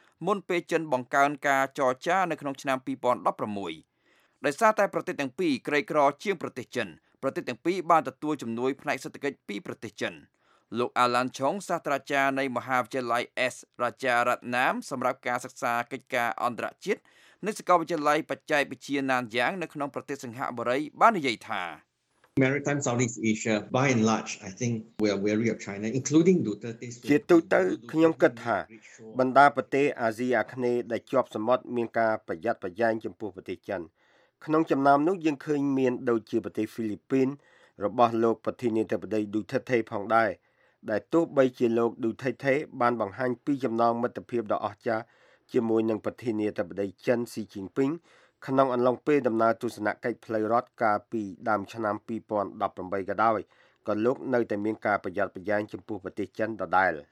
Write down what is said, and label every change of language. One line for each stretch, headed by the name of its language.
Khmer: មុនពេលចិនបង្កើនការចរចានៅក្នុងឆ្នាំ2016ដោយសារតែប្រទេសទាំងពីរក្រីក្រជាងប្រទេសចិនប្រទេសទាំងពីរបានទទួលជំនួយផ្នែកសេដ្ឋកិច្ចពីប្រទេសចិនលោកអាឡាន់ឆុងសាស្ត្រាចារ្យនៃមហាវិទ្យាល័យ S រាជារតណាមសម្រាប់ការសិក្សាកិច្ចការអន្តរជាតិនៅសាកលវិទ្យាល័យបច្ចេកវិទ្យាណានយ៉ាងនៅក្នុងប្រទេសសិង្ហបុរីបាននិយាយថា
English: Maritime Southeast Asia by and large I think we are wary of China including Duterte
Khmer: ជាទូទៅខ្ញុំគិតថាបណ្ដាប្រទេសអាស៊ីអាគ្នេយ៍ដែលជាប់សម្បត្តិមានការប្រយ័ត្នប្រយែងចំពោះប្រទេសចិន ក្នុងចំណោមនោះយើងឃើញមានដូចជាប្រទេសហ្វីលីពីនរបស់លោកប្រធានាធិបតី Duterte ផងដែរដែលទោះបីជាលោក Duterte បានបង្ហាញពីចំណងមិត្តភាពដ៏អស្ចារ្យជាមួយនឹងប្រធានាធិបតីចិនស៊ីជីនពីងក្នុងអំឡុងពេលដំណើរទស្សនកិច្ចផ្លូវរដ្ឋកាលពីដើមឆ្នាំ2018ក៏ដោយក៏លោកនៅតែមានការប្រយ័ត្នប្រយែងចំពោះប្រទេសចិនដដែល